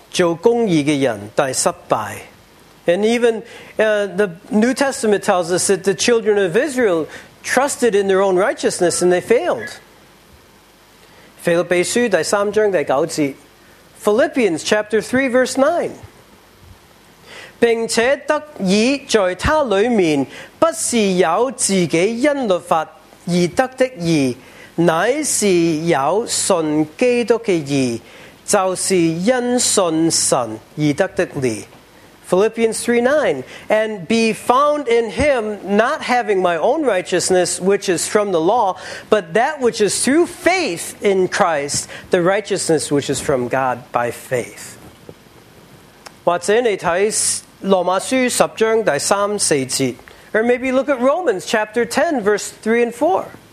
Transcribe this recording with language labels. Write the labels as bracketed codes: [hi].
[zh] 以色列人靠自己的能力做公义的人，但失败。 [en] And even the New Testament tells us that the children of Israel trusted in their own righteousness and they failed. Philippians chapter 3 verse 9. [zh] 并且得以在他里面不是有自己因律法而得的义，乃是有信基督的义，就是因信神而得的义。 [en] Philippians 3:9, and be found in him, not having my own righteousness, which is from the law, but that which is through faith in Christ, the righteousness which is from God by faith. [zh] 或者你看罗马书十章第三四节, [en] or maybe look at Romans chapter 10, verse 3 and 4.